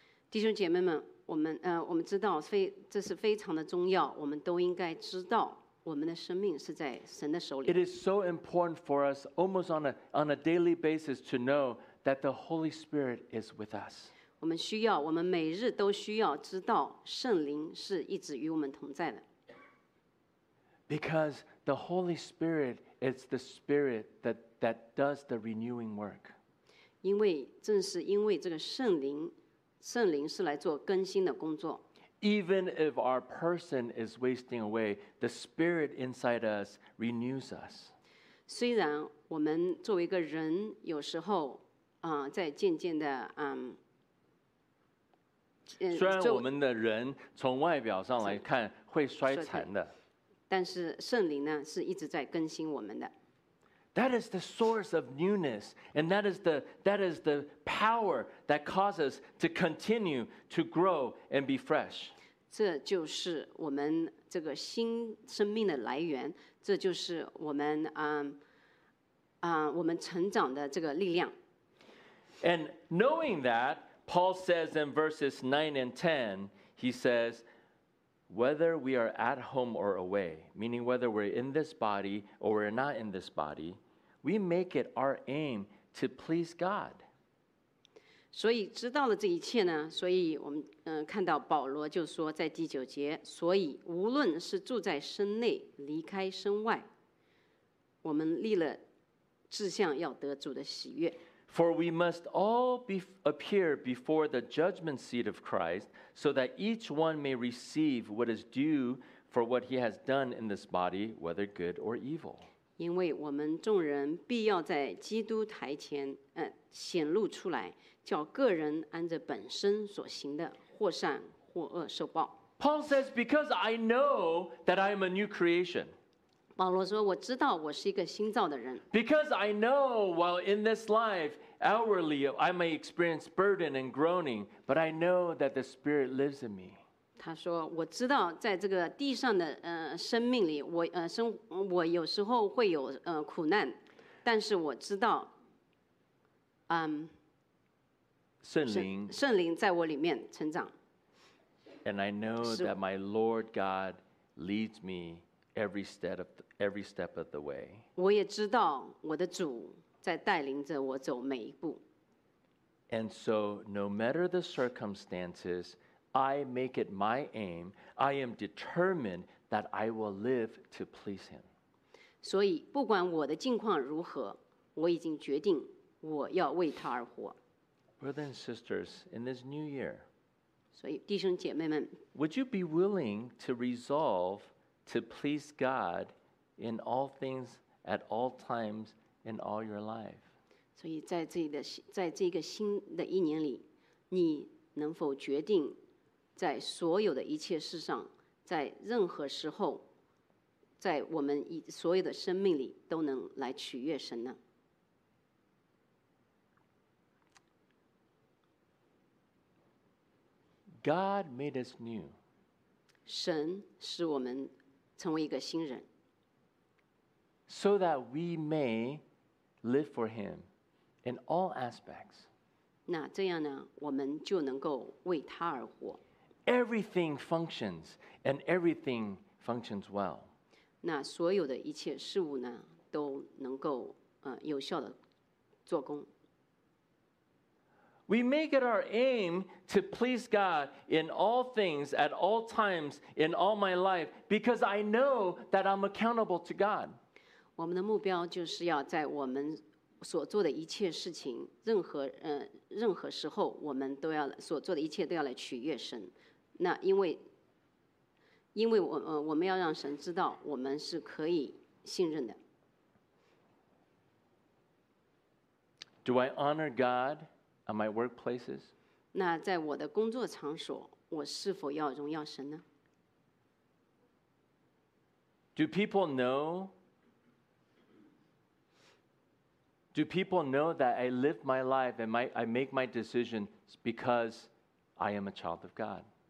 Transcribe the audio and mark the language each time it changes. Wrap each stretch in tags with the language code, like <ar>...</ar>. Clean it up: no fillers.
<zh>弟兄姐妹们，我们知道这是非常的重要。我们都应该知道，我们的生命是在神的手里。</zh> <en>It is so important for us, almost on a daily basis, to know that the Holy Spirit is with us.</en> <zh>我们需要，我们每日都需要知道圣灵是一直与我们同在的。</zh> <en>Because the Holy Spirit is the Spirit that does the renewing work.</en> <zh>因为正是因为这个圣灵是来做更新的工作。</zh> <en>Even if our person is wasting away, the Spirit inside us renews us.</en> <zh>虽然我们作为一个人有时候在渐渐的虽然我们的人从外表上来看会衰残的，但是圣灵呢是一直在更新我们的。</zh> <en>That is the source of newness, and that is the power that causes us to continue to grow and be fresh.</en> <zh>这就是我们这个新生命的来源，这就是我们我们成长的这个力量。</zh> <en>And knowing that, Paul says in verses 9 and 10, he says, whether we are at home or away, meaning whether we're in this body or we're not in this body,We make it our aim to please God.</en> <zh>所以知道了这一切呢，所以我们看到保罗就说在第九节，所以无论是住在身内，离开身外，我们立了志向要得主的喜悦。</zh> <en>For we must all appear before the judgment seat of Christ, so that each one may receive what is due for what he has done in this body, whether good or evil.</en> <zh>因为我们众人必要在基督台前显露出来，叫个人按着本身所行的或善或恶受报。</zh> <en>Paul says, because I know that I am a new creation.</en> <zh>保罗说，我知道我是一个新造的人。</zh> <en>Because I know while in this life, outwardly, I may experience burden and groaning, but I know that the Spirit lives in me.</en> <zh>他说我知道在这个地上的生命里 我有时候会有苦难，但是我知道圣灵在我里面成长。</zh> <en>And I know that my Lord God leads me every step of the way.</en> <zh>我也知道我的主在带领着我走每一步。</zh> <en>And so no matter the circumstancesI make it my aim. I am determined that I will live to please him.</en> <zh>所以不管我的境况如何，我已经决定我要为他而活。</zh> <en>Brothers and sisters, in this new year,</en> <zh>所以弟兄姐妹们，</zh> <en>would you be willing to resolve to please God in all things, at all times, in all your life?</en> <zh>所以在这个新的一年里，你能否决定在所有的一切事上，在任何时候，在我们所有的生命里，都能来取悦神呢？</zh> <en>God made us new.</en> <zh>神使我们成为一个新人。</zh> <en>So that we may live for Him in all aspects.</en> <zh>那这样呢，我们就能够为他而活。</zh> <en>Everything functions, and everything functions well.</en> <zh>那所有的一切事物呢，都能够有效的做工。</zh> <en>We make it our aim to please God in all things, at all times, in all my life, because I know that I'm accountable to God.</en> <zh>我们的目标就是要在我们所做的一切事情，任何时候，我们都要所做的一切都要来取悦神。那因为我们要让神知道我们是可以信任的。</zh> <en>Do I honor God at my workplaces?</en> <zh>那在我的工作场所，我是否要荣耀神呢？</zh> <en>Do people know that I live my life and I make my decisions because I am a child of God?</en>